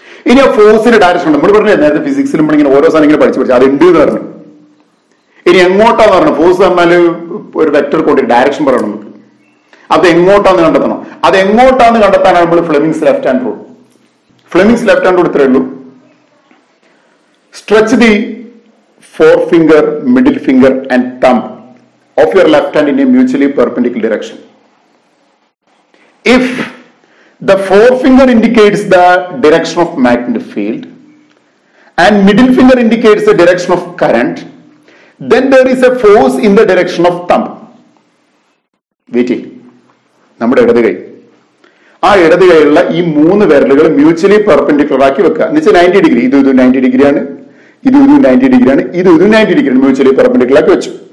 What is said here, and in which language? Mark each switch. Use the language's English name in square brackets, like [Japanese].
[Malayalam] ഇനി ആ ഫോഴ്സിന്റെ ഡയറക്ഷൻ നമ്മൾ പറഞ്ഞത് നേരത്തെ ഫിസിക്സിലും ഇങ്ങനെ ഓരോ സാധനം ഇങ്ങനെ പഠിച്ചു പഠിച്ചു അത് ഉണ്ട് എന്ന് പറഞ്ഞു. ഇനി എങ്ങോട്ടാന്ന് പറഞ്ഞു ഫോഴ്സ് തന്നാല് ഒരു വെക്റ്റർ കൊണ്ട് ഡയറക്ഷൻ പറയണം നമുക്ക്. അത് എങ്ങോട്ടാന്ന് കണ്ടെത്തണം. അത് എങ്ങോട്ടാന്ന് കണ്ടെത്താനാണ് നമ്മൾ ഫ്ലെമിംഗ്സ് left hand rule. ഫ്ലെമിംഗ്സ് left hand rule ഇത്രയേ ഉള്ളൂ. Stretch the four finger, middle finger and thumb [English] of your left hand in a mutually perpendicular direction. If the forefinger indicates the direction of magnetic field and middle finger indicates the direction of current, then there is a force in the direction of thumb. [Malayalam] Wait, നമ്മുടെ ഇടത് കൈ, ആ ഇടത് കൈയിലുള്ള ഈ മൂന്ന് വിരലുകൾ mutually perpendicular ആക്കി വെക്കുക. എന്നുവെച്ചാൽ 90 degree, ഇത് ഇത് 90 degree ആണ്, ഇത് ഇത് 90 degree ആണ്, ഇത് ഇത് 90 degree ആണ്, മ്യൂച്വലി പെർപെൻഡിക്കുലർ ആക്കി വെച്ചു.